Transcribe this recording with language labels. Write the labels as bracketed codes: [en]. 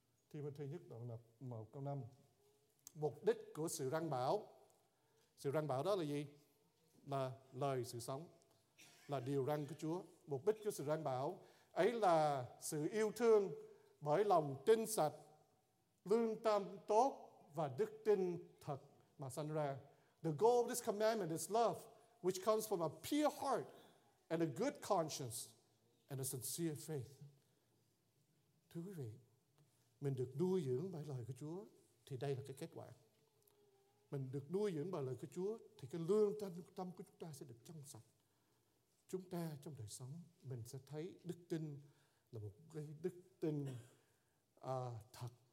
[vi] Thiêu Thê nhất đoạn 1 câu 5. Mục đích của sự răn bảo. Sự răn bảo đó là gì? Là lời sự sống, là điều răn của Chúa. Mục đích của sự răn bảo ấy là sự yêu thương bởi lòng tinh sạch, lương tâm tốt và đức tin thật mà sanh ra. [en] The goal of this commandment is love, which comes from a pure heart and a good conscience and a sincere faith. [vi] Thưa quý vị, mình được nuôi dưỡng bởi lời của Chúa thì đây là cái kết quả. Mình được nuôi dưỡng bởi lời của Chúa thì cái lương tâm của chúng ta sẽ được trong sạch. Chúng ta trong đời sống mình sẽ thấy đức tin là một cái đức tin thật.